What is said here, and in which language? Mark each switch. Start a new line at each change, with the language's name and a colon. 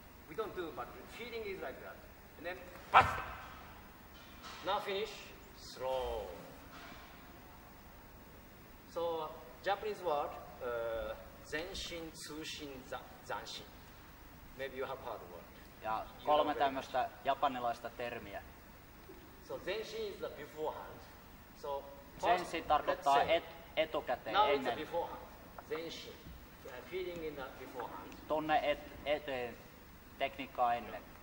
English: We don't do, but feeling is like that. And then pass. Now finish, slow. So Japanese word, zenshin, tsushin, zanshi. Maybe you have heard the word.
Finnish: Ja kolme tämmöistä japanilaista termiä.
English: So zenshin is the beforehand. So
Finnish: zenshin tarkoittaa etukäteen
English: now
Finnish: ennen.
English: Now it's beforehand. Zenshin, feeling in the beforehand.
Finnish: Tunne eteen tekniikkaa ennen.